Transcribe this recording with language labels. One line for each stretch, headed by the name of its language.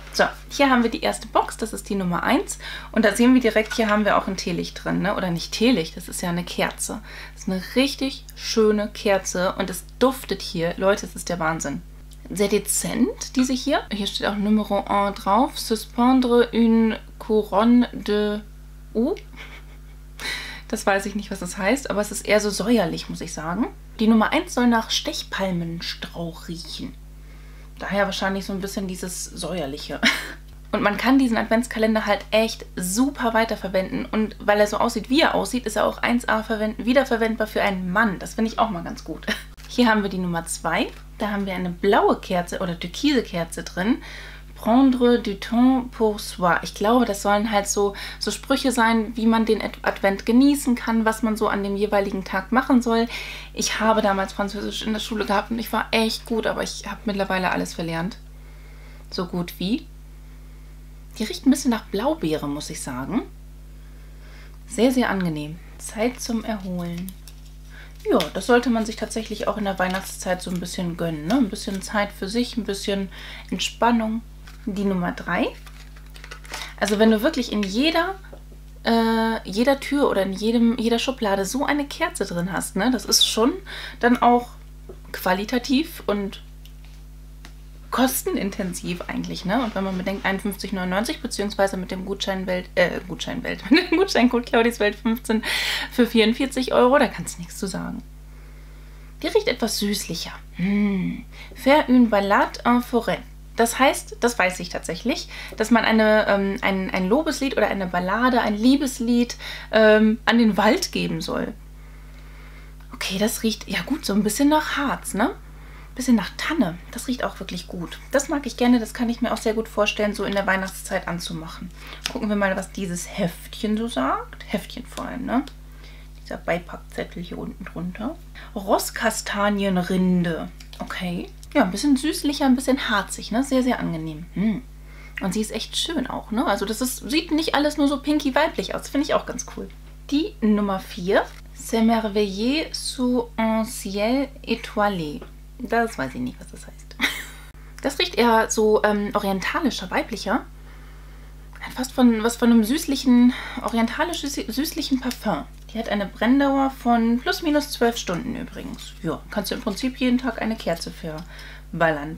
German: So, hier haben wir die erste Box. Das ist die Nummer 1. Und da sehen wir direkt, hier haben wir auch ein Teelicht drin. Ne? Oder nicht Teelicht, das ist ja eine Kerze. Das ist eine richtig schöne Kerze. Und es duftet hier. Leute, das ist der Wahnsinn. Sehr dezent, diese hier. Hier steht auch Numero 1 drauf.
French: Suspendre une couronne de ou.
German: Das weiß ich nicht, was das heißt, aber es ist eher so säuerlich, muss ich sagen. Die Nummer 1 soll nach Stechpalmenstrauch riechen. Daher wahrscheinlich so ein bisschen dieses Säuerliche. Und man kann diesen Adventskalender halt echt super weiterverwenden. Und weil er so aussieht, wie er aussieht, ist er auch 1A wiederverwendbar für einen Mann. Das finde ich auch mal ganz gut. Hier haben wir die Nummer 2. Da haben wir eine blaue Kerze oder türkise Kerze drin.
French: Prendre du temps pour soi.
German: Ich glaube, das sollen halt so Sprüche sein, wie man den Advent genießen kann, was man so an dem jeweiligen Tag machen soll. Ich habe damals Französisch in der Schule gehabt und ich war echt gut, aber ich habe mittlerweile alles verlernt. So gut wie. Die riecht ein bisschen nach Blaubeere, muss ich sagen. Sehr, sehr angenehm. Zeit zum Erholen. Ja, das sollte man sich tatsächlich auch in der Weihnachtszeit so ein bisschen gönnen. Ne? Ein bisschen Zeit für sich, ein bisschen Entspannung. Die Nummer 3. Also wenn du wirklich in jeder Tür oder in jeder Schublade so eine Kerze drin hast, ne, das ist schon dann auch qualitativ und kostenintensiv eigentlich. Ne? Und wenn man bedenkt, 51,99 beziehungsweise mit dem Gutscheincode Claudiswelt 15 für 44 Euro, da kannst du nichts zu sagen. Die riecht etwas süßlicher.
French: Faire une balade en forêt.
German: Das heißt, das weiß ich tatsächlich, dass man ein Lobeslied oder eine Ballade, ein Liebeslied an den Wald geben soll. Okay, das riecht, ja gut, so ein bisschen nach Harz, ne? bisschen nach Tanne. Das riecht auch wirklich gut. Das mag ich gerne. Das kann ich mir auch sehr gut vorstellen, so in der Weihnachtszeit anzumachen. Gucken wir mal, was dieses Heftchen so sagt. Heftchen vor allem, ne? Dieser Beipackzettel hier unten drunter. Rosskastanienrinde. Okay. Ja, ein bisschen süßlicher, ein bisschen harzig, ne? Sehr, sehr angenehm. Hm. Und sie ist echt schön auch, ne? Also das ist, sieht nicht alles nur so pinky weiblich aus. Finde ich auch ganz cool. Die Nummer 4.
French: C'est merveilleux sous un ciel étoilé.
German: Das weiß ich nicht, was das heißt. Das riecht eher so orientalischer, weiblicher. Hat fast von, was von einem süßlichen, orientalisch süßlichen Parfum. Die hat eine Brenndauer von plus minus 12 Stunden übrigens. Ja, kannst du im Prinzip jeden Tag eine Kerze verballern.